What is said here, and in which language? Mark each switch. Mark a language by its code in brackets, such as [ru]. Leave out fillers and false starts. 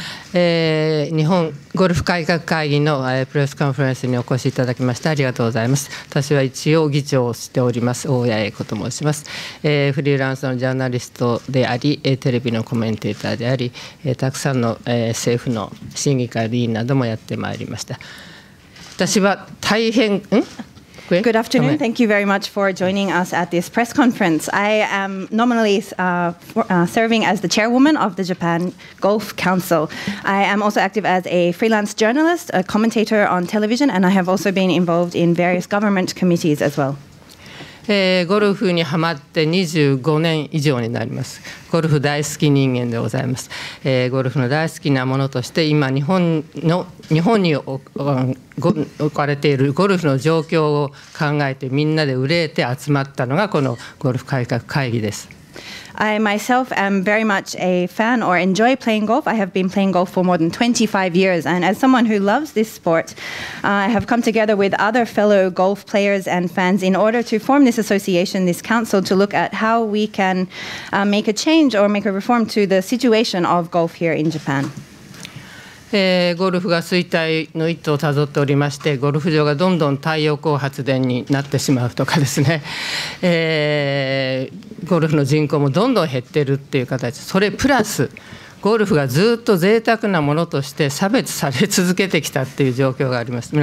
[ja] 日本ゴルフ改革会議のプレスカンファレンスにお越しいただきましてありがとうございます。私は一応議長をしております大谷英子と申します。フリーランスのジャーナリストでありテレビのコメンテーターでありたくさんの政府の審議会委員などもやってまいりました。私は大変ん [en] Good afternoon. Thank you very much for joining us at this press conference. I am nominally serving as the chairwoman of the Japan Golf Council. I am also active as a freelance journalist, a commentator on television, and I have also been involved in various government committees as well. [ja] ゴルフにハマって25年以上になります。ゴルフ大好き人間でございます。ゴルフの大好きなものとして今日本に置かれているゴルフの状況を考えてみんなで憂えて集まったのがこのゴルフ改革会議です。 [en] I myself am very much a fan or enjoy playing golf. I have been playing golf for more than 25 years. And as someone who loves this sport, I have come together with other fellow golf players and fans in order to form this association, this council, to look at how we can make a change or make a reform to the situation of golf here in Japan. [ja] ゴルフが衰退の一途をたどっておりまして、ゴルフ場がどんどん太陽光発電になってしまうとかですね、ゴルフの人口もどんどん減ってるっていう形、それプラスゴルフがずっと贅沢なものとして差別され続けてきたっていう状況があります。